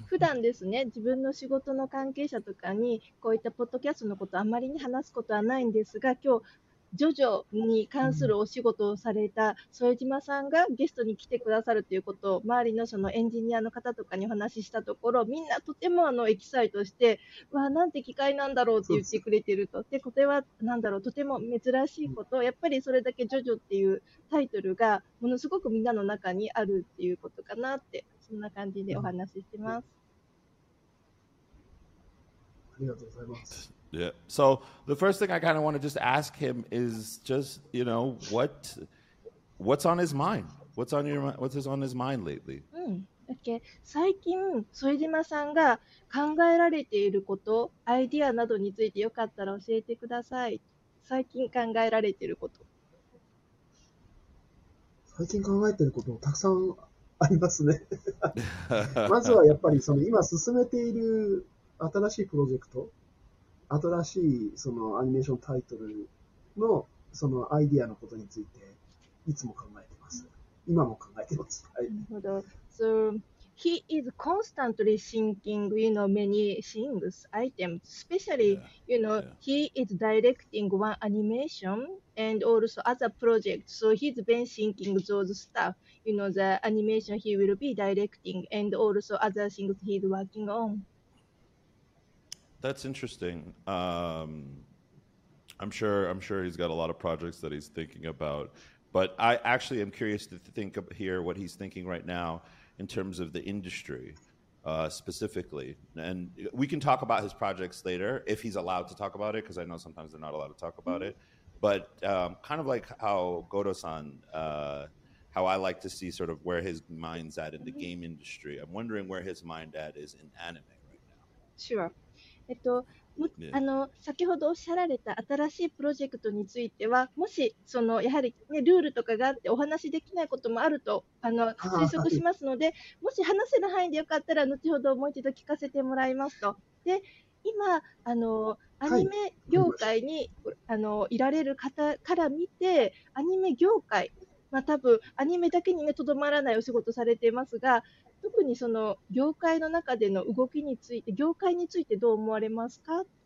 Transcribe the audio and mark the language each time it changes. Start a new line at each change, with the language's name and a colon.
Japanese: 普段ですね、自分の仕事の関係者とかにこういったポッドキャストのことをあまりに話すことはないんですが、今日ジョジョに関するお仕事をされた副島さんがゲストに来てくださるということを周りのそのエンジニアの方とかにお話ししたところ、みんなとてもエキサイトして、わあなんて機会なんだろうって言ってくれてると、でこれはなんだろうとても珍しいこと、やっぱりそれだけジョジョっていうタイトルがものすごくみんなの中にあるっていうことかなって。そんな感じでお話ししてます。ありがとうございます。
English: Yeah. So the first thing I kind of want to just ask him is just, you know, what's on his mind? What's on your mind? What's on his mind lately? Okay.
Japanese: 最近、副島さんが考えられていること、アイディアなどについてよかったら教えてください。最近考えられていること。最近考えていることもたくさんありますね。まずはやっぱりその今進めている新しいプロジェクト、新しいそのアニメーションタイトルのそのアイディアのことについていつも考えています。今も考えています。はい。なるほど。
English: So he is constantly thinking, you know, many things, items, especially, yeah, you know, yeah. He is directing one animation and also other projects. So he's been thinking those stuff, you know, the animation he will be directing and also other things he's working on. That's interesting. I'm sure he's got a lot of projects that he's thinking about, but I actually am curious to think up here what he's thinking right now. In terms of the industry, specifically, and we can talk about his projects later if he's allowed to talk about it, because I know sometimes they're not allowed to talk about it. But kind of like how Goto-san, how I like to see sort of where his mind's at in the game industry. I'm wondering where his mind at is in anime right now. Sure.
Japanese: あの先ほどおっしゃられた新しいプロジェクトについてはもしそのやはり、ね、ルールとかがあってお話しできないこともあるとあの推測しますのでもし話せる範囲でよかったら後ほどもう一度聞かせてもらいますと。で今あのアニメ業界に、はい、あのいられる方から見てアニメ業界、まあ、多分アニメだけにと、ね、どまらないお仕事されていますが特にその業界の中での動きについて、業界についてどう思われますか？